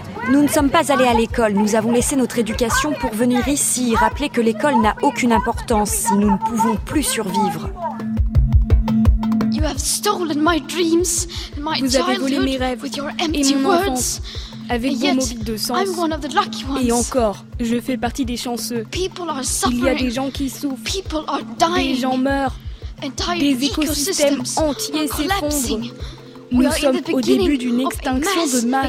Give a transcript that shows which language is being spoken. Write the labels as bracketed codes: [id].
[fr] Nous ne sommes pas allés à l'école. Nous avons laissé notre éducation pour venir ici, rappeler que l'école n'a aucune importance si nous ne pouvons plus survivre. [en] You have stolen my dreams, my [fr] Vous avez volé mes rêves [en] with your empty [fr] et mon enfance. Avec vos mots vides de sens. [en] I'm one of the lucky ones. [fr] Et encore, je fais partie des chanceux. [en] People are suffering. [fr] Il y a des gens qui souffrent. [en] People are dying. [fr] Des gens meurent. [en] Entire [fr] des écosystèmes entiers s'effondrent. Nous [en] are [fr] sommes au début d'une extinction de masse.